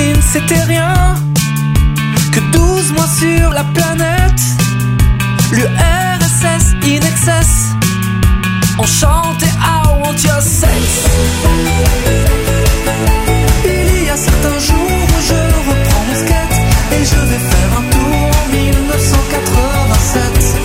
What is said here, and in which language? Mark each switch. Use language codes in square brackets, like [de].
[fr] C'était rien que 12 mois sur la planète. L'URSS in excess, on chantait [en] I want your sex. [fr] Il y a certains jours où je reprends mon skate et je vais faire un tour en 1987.